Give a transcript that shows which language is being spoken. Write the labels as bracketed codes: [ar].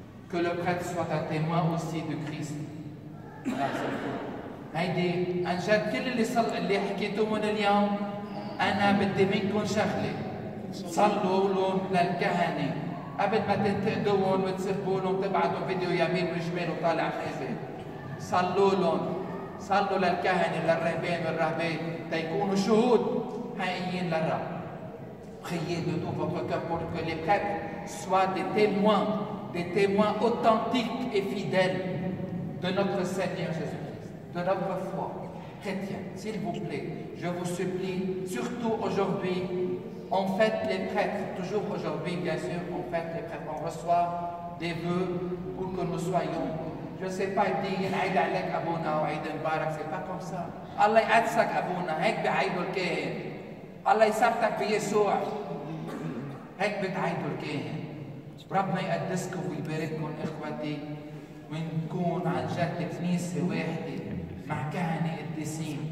[fr] Que le prêtre soit un témoin aussi de Christ. [ar] هيدي عن جد كل اللي حكيتوهم اليوم انا بدي منكم شغله. صلوا لهم للكهنه قبل ما تنتقدوهم وتسبوا لهم وتبعثوا فيديو يمين وشمال وطالع خيبه. صلوا لهم، صلوا للكهنه للرهبان والرهبان تيكونوا شهود حقيقيين للرب. [fr] Priez de tout votre cœur pour que les prêtres soient des témoins authentiques et fidèles de notre Seigneur Jésus-Christ, de notre foi chrétienne. S'il vous plaît, je vous supplie, surtout aujourd'hui, on fête les prêtres, toujours aujourd'hui, bien sûr, on fête les prêtres, on reçoit des vœux pour que nous soyons. Je ne sais pas dire « [ar] Aïd alek abouna [fr] » ou « [ar] Aïd mbarak [fr] », ce n'est pas comme ça. [ar] « Allah yadsak abouna »« Hek bi'aïd al-kéhen » الله يسبتك في يسوع هيك بتعيدوا الكاهن. ربنا يقدسكم ويبارككم اخوتي ونكون عن جد كنيسه واحده مع كهنه قديسين.